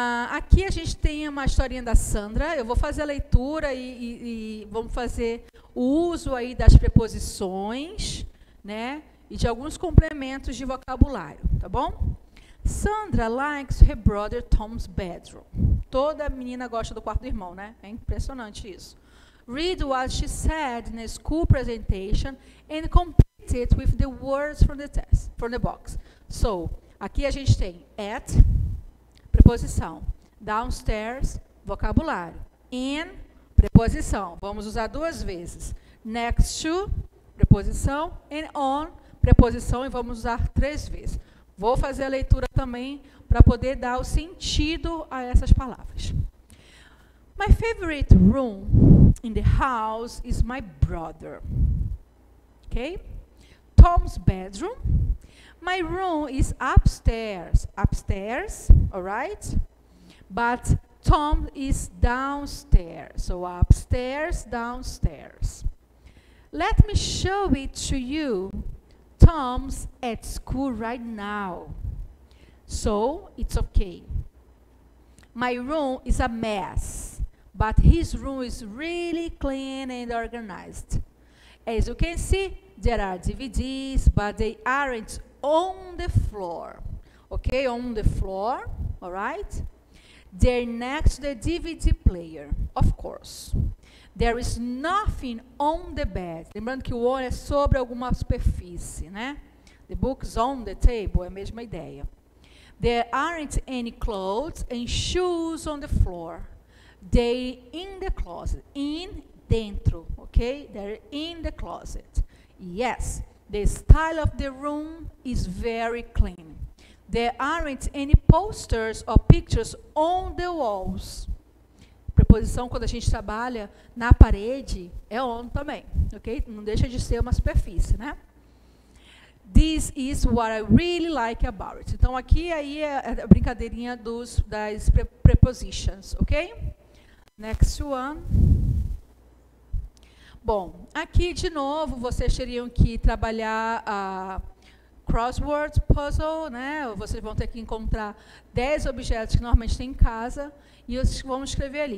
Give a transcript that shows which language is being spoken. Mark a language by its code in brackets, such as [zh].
[pt] Aqui a gente tem uma historinha da Sandra. Eu vou fazer a leitura e vamos fazer o uso aí das preposições, né, e de alguns complementos de vocabulário. Tá bom? Sandra likes her brother Tom's bedroom. Toda menina gosta do quarto do irmão, né? É impressionante isso. [en] Read what she said in a school presentation and complete it with the words from the test, from the box. [pt] So, aqui a gente tem at, preposição, downstairs, vocabulário, in, preposição, vamos usar duas vezes, next to, preposição, and on, preposição, e vamos usar três vezes. Vou fazer a leitura também para poder dar o sentido a essas palavras. [en] My favorite room in the house is my brother. Okay? Tom's bedroom. My room is upstairs, upstairs, all right? But Tom is downstairs, so upstairs, downstairs. Let me show it to you. Tom's at school right now, so it's okay. My room is a mess, but his room is really clean and organized. As you can see, there are DVDs, but they aren't on the floor, okay, on the floor, all right? They're next to the DVD player, of course. There is nothing on the bed. [pt] Lembrando que o on é sobre alguma superfície, né? [en] The books on the table, é a mesma ideia. There aren't any clothes and shoes on the floor. They're in the closet, in, dentro, okay? They're in the closet, yes. The style of the room is very clean. There aren't any posters or pictures on the walls. [pt] Preposição, quando a gente trabalha na parede, é on também, ok? Não deixa de ser uma superfície, né? [en] This is what I really like about it. [pt] Então, aqui aí é a brincadeirinha das prepositions, ok? Next one. Bom, aqui de novo vocês teriam que trabalhar a crossword puzzle, né? Vocês vão ter que encontrar 10 objetos que normalmente tem em casa e vocês vão escrever ali.